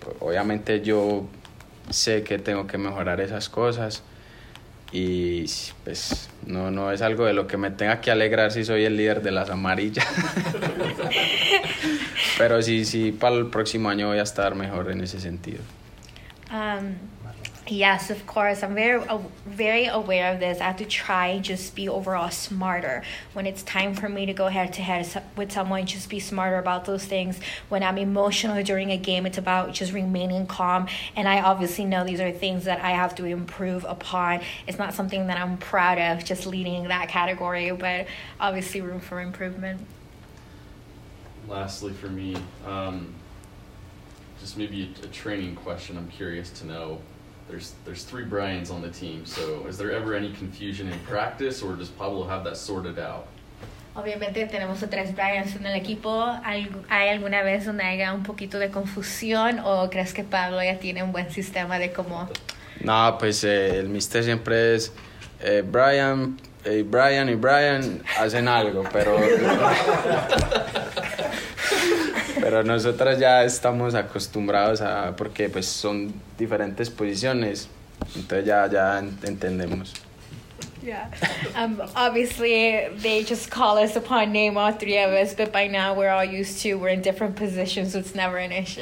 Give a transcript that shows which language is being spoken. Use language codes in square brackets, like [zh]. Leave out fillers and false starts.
[es] Obviamente yo sé que tengo que mejorar esas cosas y pues no es algo de lo que me tenga que alegrar si soy el líder de las amarillas. Pero sí, para el próximo año voy a estar mejor en ese sentido. [en] Yes, of course. I'm very, very aware of this. I have to try just be overall smarter. When it's time for me to go head-to-head with someone, just be smarter about those things. When I'm emotional during a game, it's about just remaining calm. And I obviously know these are things that I have to improve upon. It's not something that I'm proud of, just leading that category, but obviously room for improvement. Lastly for me, just maybe a training question I'm curious to know. There's three Brians on the team, so is there ever any confusion in practice, or does Pablo have that sorted out? [es] Obviamente tenemos a tres Brians en el equipo. ¿Hay alguna vez donde haya un poquito de confusión, o crees que Pablo ya tiene un buen sistema de cómo? No, pues el mister siempre es Brian, Brian y Brian hacen algo, pero pero nosotros ya estamos acostumbrados a, porque pues son diferentes posiciones, entonces ya entendemos. [en] Yeah, obviously they just call us upon name, all three of us, but by now we're all used to, we're in different positions, so it's never an issue.